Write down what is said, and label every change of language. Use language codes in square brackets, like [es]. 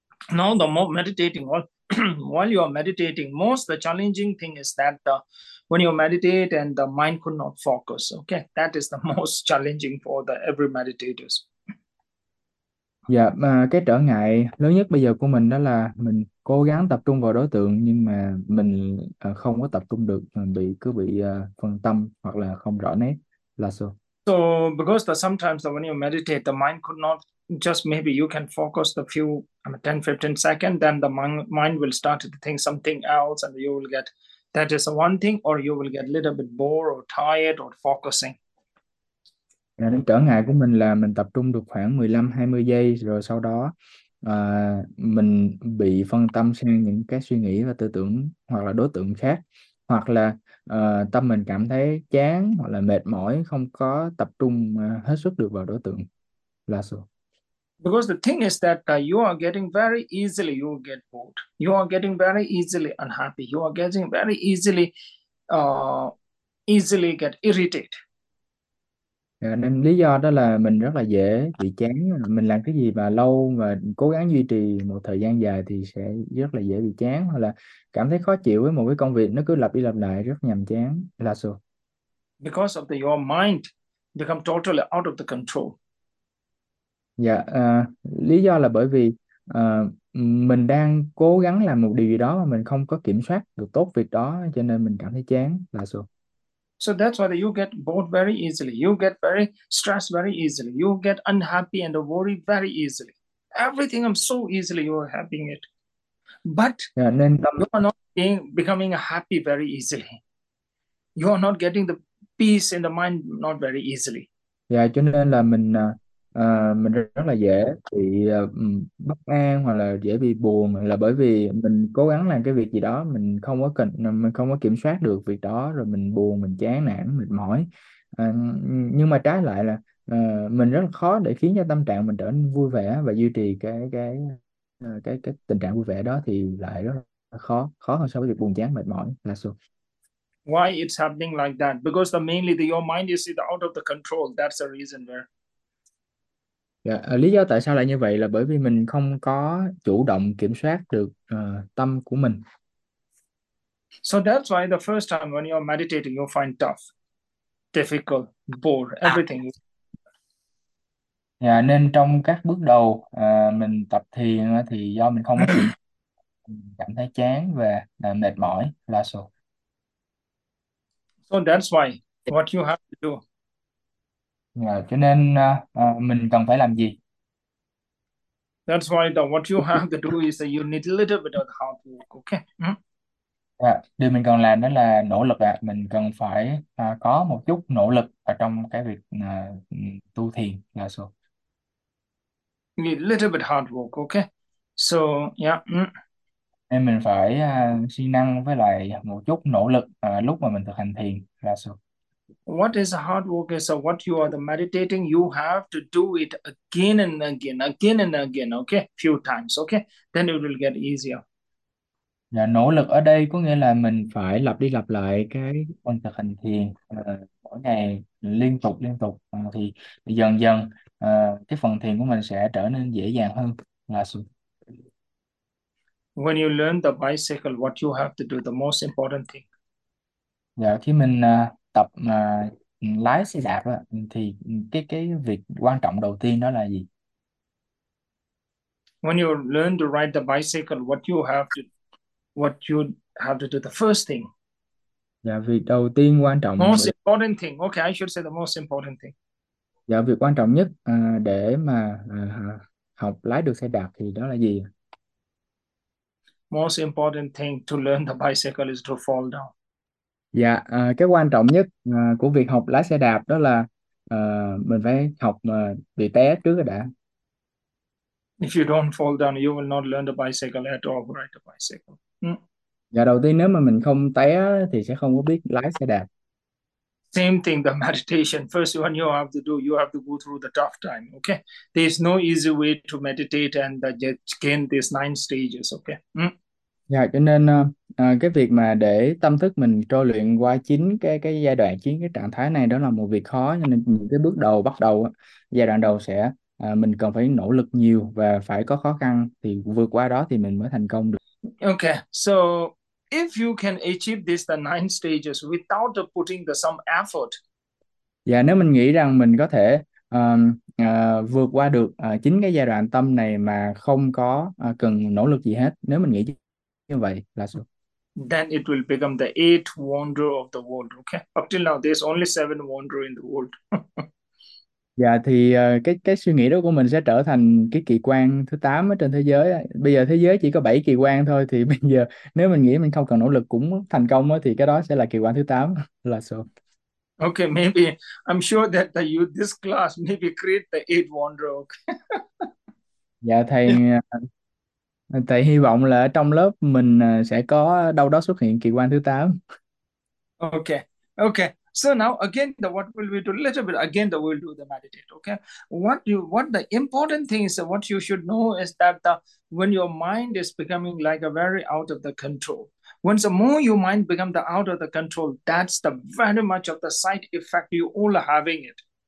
[en] Now the more meditating while you are meditating, most the challenging thing is that when you meditate and the mind could not focus. Okay, that is the most challenging for the every meditators. [vi] Dạ, mà cái trở ngại lớn nhất bây giờ của mình đó là mình cố gắng tập trung vào đối tượng nhưng mà mình không có tập trung được, mình bị cứ bị phân tâm hoặc là không rõ nét là sao. [en] So because the sometimes the when you meditate the mind could not just maybe you can focus the few 10 15 second then the mind will start to think something else and you will get that is one thing or you will get a little bit bored or tired or focusing. [vi] Là đến trở ngại của mình là mình tập trung được khoảng 15-20 giây rồi sau đó mình bị phân tâm sang những cái suy nghĩ và tư tưởng hoặc là đối tượng khác, hoặc là tâm mình cảm thấy chán hoặc là mệt mỏi, không có tập trung hết sức được vào đối tượng là sao. [en] Because the thing is that you are getting very easily you will get bored. You are getting very easily unhappy. You are getting very easily get irritated. [vi] Nên lý do đó là mình rất là dễ bị chán, mình làm cái gì mà lâu mà cố gắng duy trì một thời gian dài thì sẽ rất là dễ bị chán, hoặc là cảm thấy khó chịu với một cái công việc nó cứ lặp đi lặp lại rất nhàm chán là sao. [en] Because of the your mind become totally out of the control. [vi] Dạ, lý do là bởi vì mình đang cố gắng làm một điều gì đó mà mình không có kiểm soát được tốt việc đó cho nên mình cảm thấy chán là sao. [en] So that's why you get bored very easily. You get very stressed very easily. You get unhappy and worried very easily. Everything I'm so easily you are having it. But [vi] Yeah, nên [en] you are not becoming happy very easily. You are not getting the peace in the mind not very easily. [vi] cho nên là mình rất là dễ bị bất an hoặc là dễ bị buồn là bởi vì mình cố gắng làm cái việc gì đó mình không có cần mình không có kiểm soát được việc đó rồi mình buồn, mình chán nản, mệt mỏi. Nhưng mà trái lại là mình rất là khó để khiến cho tâm trạng mình trở nên vui vẻ và duy trì cái tình trạng vui vẻ đó thì lại rất là khó hơn so với việc buồn chán mệt mỏi là sao. [en] Why it's happening like that? Because the mainly the your mind is out of the control. That's the reason where. [vi] Dạ, lý do tại sao lại như vậy là bởi vì mình không có chủ động kiểm soát được tâm của mình. [en] So that's why the first time when you're meditating, you find tough, difficult, bored, everything. [vi] Dạ, nên trong các bước đầu mình tập thiền thì do mình không có kiểm cảm thấy chán và mệt mỏi là sao. [en] So that's why what you have to do. [vi] Dạ, cho nên mình cần phải làm gì? [en] That's why the what you have to do is that you need a little bit of hard work, okay? [vi] Dạ, điều mình cần làm đó là nỗ lực ạ. Mình cần phải có một chút nỗ lực ở trong cái việc tu thiền là sao. [en] Need a little bit hard work, okay? So, yeah. [vi] Nên mình phải siêng năng với lại một chút nỗ lực lúc mà mình thực hành thiền là sao. [en] What is hard work is so what you are the meditating, you have to do it again and again, okay? Few times, okay? Then it will get easier. [vi] Là nỗ lực ở đây có nghĩa là mình phải lặp đi lặp lại cái quan thực hành thiền mỗi ngày liên tục thì dần dần cái phần thiền của mình sẽ trở nên dễ dàng hơn là sự. [en] When you learn the bicycle, what you have to do, the most important thing. [vi] Dạ, khi mình tập lái xe đạp đó, thì cái việc quan trọng đầu tiên đó là gì? [en] When you learn to ride the bicycle, what you have to do, the first thing. [vi] Dạ, việc đầu tiên quan trọng [en] Most [vi] để [en] important thing. Okay, I should say the most important thing. [vi] dạ, việc quan trọng nhất để mà học lái được xe đạp thì đó là gì? [en] Most important thing to learn the bicycle is to fall down. [vi] Dạ, cái quan trọng nhất của việc học lái xe đạp đó là mình phải học bị té trước rồi đã. [en] If you don't fall down, you will not learn the bicycle at all, ride the bicycle. [vi] Dạ, đầu tiên nếu mà mình không té thì sẽ không có biết lái xe đạp. [en] Same thing, the meditation. First one you have to do, you have to go through the tough time, okay? There is no easy way to meditate and gain these nine stages, okay? [vi] Dạ, cho nên cái việc mà để tâm thức mình trau luyện qua chính cái giai đoạn chính cái trạng thái này đó là một việc khó, cho nên những cái bước đầu bắt đầu giai đoạn đầu sẽ mình cần phải nỗ lực nhiều và phải có khó khăn thì vượt qua đó thì mình mới thành công được. [en] Okay, so if you can achieve this, the nine stages, without putting the some effort, [vi] Dạ, nếu mình nghĩ rằng mình có thể vượt qua được chính cái giai đoạn tâm này mà không có cần nỗ lực gì hết, nếu mình nghĩ như vậy là sao? [en] then it will become the eighth wonder of the world. Okay, up till now, there's only seven wonder in the world. [vi] Dạ thì cái suy nghĩ đó của mình sẽ trở thành cái kỳ quan thứ 8 ở trên thế giới. Bây giờ thế giới chỉ có 7 kỳ quan thôi, thì bây giờ nếu mình nghĩ mình không cần nỗ lực cũng thành công thì cái đó sẽ là kỳ quan thứ 8 là sao? [en] Okay, maybe I'm sure that the you this class maybe create the eight wonder. [vi] Dạ thầy, thầy hy vọng là ở trong lớp mình sẽ có đâu đó xuất hiện kỳ quan thứ 8. [en] Okay. So now again, the what will we do? A little bit again, the we'll do the meditate. Okay. What the important thing is, what you should know is that when your mind is becoming like a very out of the control. Once the more your mind become the out of the control, that's the very much of the side effect you all are having it.